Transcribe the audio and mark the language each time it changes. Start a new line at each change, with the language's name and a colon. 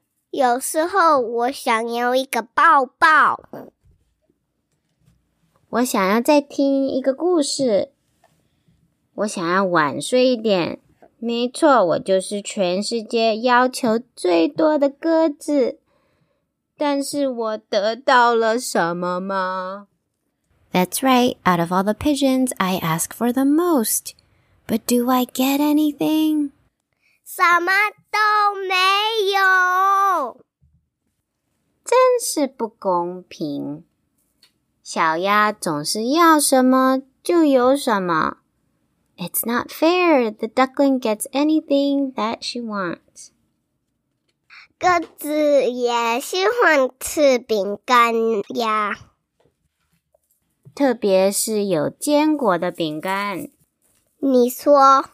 Chinese: 有时候我想要一个抱抱。我想要再听一个故事。我想要晚睡一点。没错，我就是全世界要求最多的鸽子。但是我得到了什么吗
English: ?That's right, out of all the pigeons, I ask for the most. But do I get anything?
Chinese: 什么都没有。真是不公平。小鸭总是要什么就有什么。
English: It's not fair. The duckling gets anything that she wants.
Chinese: 鸽子也喜欢吃饼干呀。特别是有坚果的饼干。你说。